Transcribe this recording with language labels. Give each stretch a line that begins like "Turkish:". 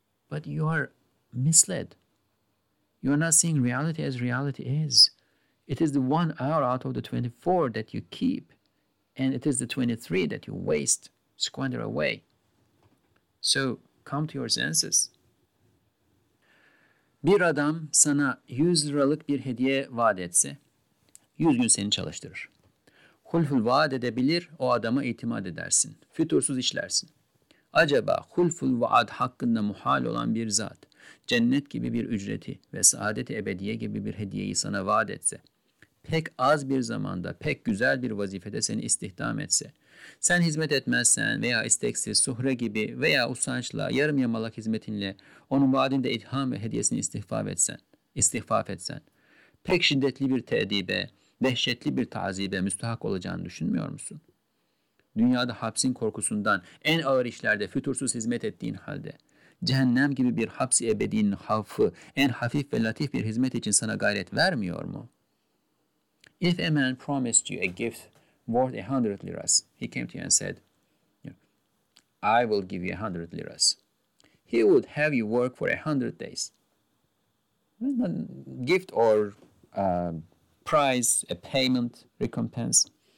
English: But you are misled. You are not seeing reality as reality is. It is the 1 hour out of the 24 that you keep, and it is the 23 that you waste, squander away. So come to your senses.
Turkish: Bir adam sana 100 liralık bir hediye vaat etse, 100 gün seni çalıştırır. Hulful vaat edebilir, o adama itimat edersin. Fütursuz işlersin. Acaba hulful vaat hakkında muhal olan bir zat, cennet gibi bir ücreti ve saadet-i ebediye gibi bir hediyeyi sana vaat etse, pek az bir zamanda, pek güzel bir vazifede seni istihdam etse, sen hizmet etmezsen veya isteksiz, suhre gibi veya usançla, yarım yamalak hizmetinle onun vaadinde itham ve hediyesini istihfaf etsen, pek şiddetli bir tedibe, dehşetli bir tazibe müstahak olacağını düşünmüyor musun? Dünyada hapsin korkusundan en ağır işlerde fütursuz hizmet ettiğin halde, cehennem gibi bir hapsi ebedinin hafı en hafif ve latif bir hizmet için sana gayret vermiyor mu?
English: If a man promised you a gift worth 100 liras, he came to you and said, I will give you 100 liras. He would have you work for 100 days. Gift or prize, a payment, recompense.